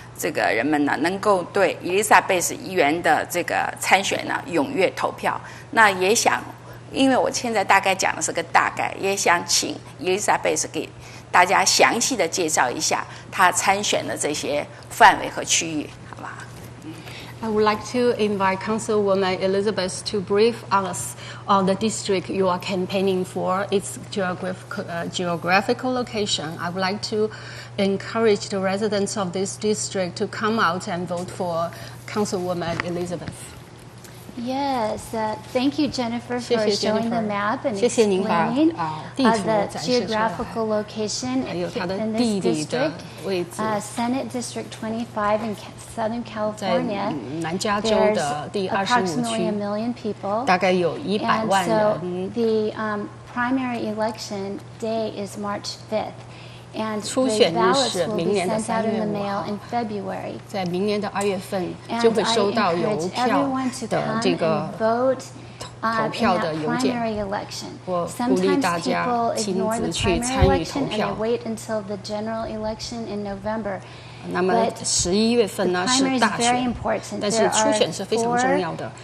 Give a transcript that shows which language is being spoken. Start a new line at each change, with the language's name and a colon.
Chinese: 这个人们呢能够对伊丽莎贝斯议员的这个参选呢踊跃投票，那也想因为我现在大概讲的是个大概，也想请伊丽莎贝斯给大家详细的介绍一下她参选的这些范围和区域，好吧。
English: I would like to invite Councilwoman Elizabeth to brief us on the district you are campaigning for, its geographical location. I would like toEncourage the residents of this district to come out and vote for Councilwoman Elizabeth. Yes, thank you, Jennifer, for showing the map and explaining the geographical location in this district. Senate District 25 in Southern California.
Chinese: 南加州的第二十五区。
English: Approximately a million people.
Chinese: 大概有一百万人。
English: So the primary election day is March 5th. And the ballots will be sent out in the mail in February.
Chinese: 在明年的二月份就会收到邮票的这个投票的邮件。我鼓励大家亲自去参与投票。
English: And they wait until the general election in November.
Chinese: 那么十一月份呢是大选，但是初选是非常重要的。